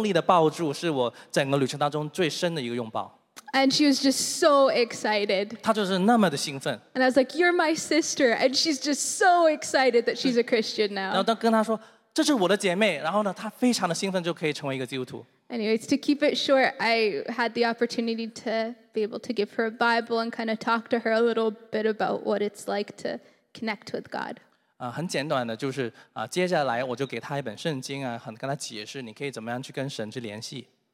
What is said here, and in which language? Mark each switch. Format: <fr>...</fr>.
<zh>然后她就跳上来去把我很用力的抱住，是我整个旅程当中最深的一个拥抱。</zh> <en>And she was just so excited.</en> <zh>她就是那么的兴奋。</zh> <en>And I was like, you're my sister. And she's just so excited that she's a Christian now.</en> <zh>然后跟她说，这是我的姐妹。然后呢，她非常的兴奋，就可以成为一个基督徒。</zh> <en>Anyways, to keep it short, I had the opportunity to be able to give her a Bible and kind of talk to her a little bit about what it's like to connect with God.</en> <zh>很简短的，就是接下来我就给她一本圣经啊，跟她解释你可以怎么样去跟神去联系。</zh>